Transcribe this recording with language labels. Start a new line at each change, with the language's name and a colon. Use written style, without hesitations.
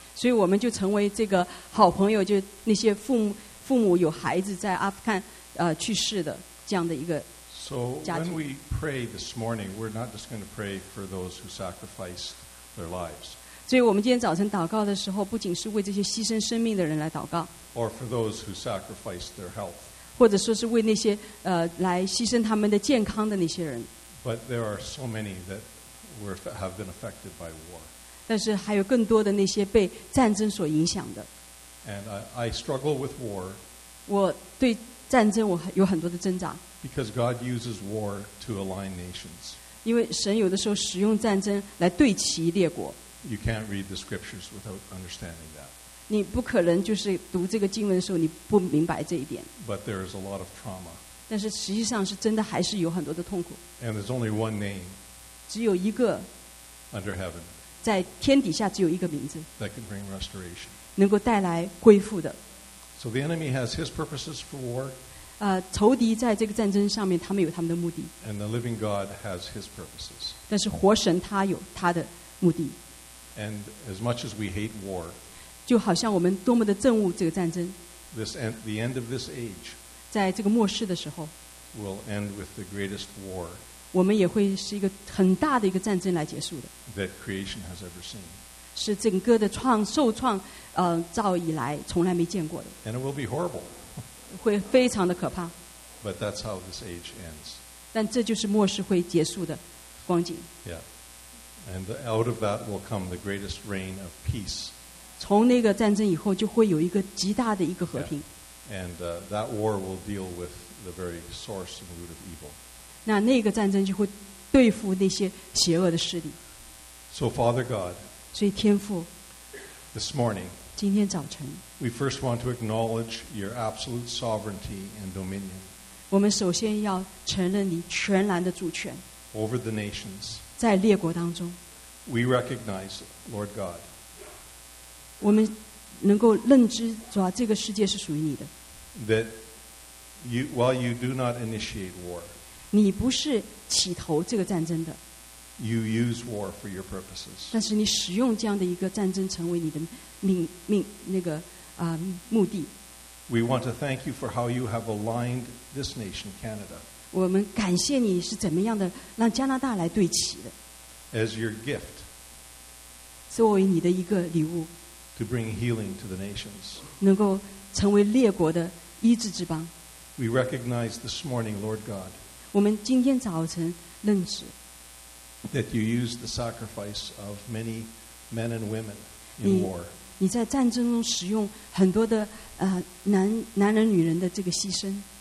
Chinese: 所以我们就成为这个好朋友，就那些父母有孩子在阿富汗去世的这样的一个。
English: So when we pray this morning, we're not just going to pray for those who sacrificed their lives.
Chinese: 所以我们今天早晨祷告的时候，不仅是为这些牺牲生命的人来祷告。
English: Or for those who sacrificed their health.
Chinese: 或者说是为那些来牺牲他们的健康的那些人。
English: But there are so many that have been affected by war.
Chinese: 但是还有更多的那些被战争所影响的。
English: And I struggle with war.
Chinese: 我对战争我有很多的挣扎。
English: Because God uses war to align nations.
Chinese: 因为神有的时候使用战争来对齐列国。
English: You can't read the scriptures without understanding that.
Chinese: 你不可能就是读这个经文的时候你不明白这一点。
English: But there is a lot of trauma.
Chinese: 但是实际上是真的还是有很多的痛苦。
English: And there's only one name.
Chinese: 只有一个,
English: under heaven
Chinese: 在天底下只有一个名字,
English: that can bring restoration.
Chinese: 能够带来恢复的,
English: so the enemy has his purposes for war.
Chinese: 仇敌在这个战争上面, 他们有他们的目的,
English: and the living God has his purposes.
Chinese: 但是活神他有他的目的,
English: and as much as we hate war,
Chinese: 就好像我们多么的憎恶这个战争,
English: the end of this age,
Chinese: 在这个末世的时候,
English: will end with the greatest war.
Chinese: 我们也会是一个很大的一个战争来结束的,
English: that creation has ever seen.
Chinese: 是整个的创,受创, 造以来从来没见过的,
English: and it will be horrible.
Chinese: 会非常的可怕,
English: but that's how this age ends.
Chinese: 但这就是末世会结束的光景,
English: yeah. And out of that will come the greatest reign of peace.
Chinese: 从那个战争以后就会有一个极大的一个和平,
English: yeah. And that war will deal with the very source and root of evil.
Chinese: 那个战争就会对付那些邪恶的势力.
English: So Father God,
Chinese: 所以天父,
English: this morning,
Chinese: 今天早晨,
English: we first want to acknowledge your absolute sovereignty and dominion.
Chinese: 我们首先要承认你全然的主权,
English: over the nations.
Chinese: 在列国当中,
English: we recognize, Lord God,
Chinese: 我们能够认知主啊, 这个世界是属于你的,
English: that you, while you do not initiate war,
Chinese: 你不是起头这个战争的,
English: you use war for your purposes.
Chinese: 但是你使用这样的一个战争成为你的命,命,那个, ,目的.
English: We want to thank you for how you have aligned this nation, Canada.
Chinese: 我们感谢你是怎么样的让加拿大来对齐的,
English: as your gift,
Chinese: 作为你的一个礼物,
English: to bring healing to the nations.
Chinese: 能够成为列国的医治之邦.
English: We recognize this morning, Lord God,
Chinese: 我们今天早晨认识,
English: that you use the sacrifice of many men and women in war.
Chinese: 你在战争中使用很多的, 男人女人的这个牺牲,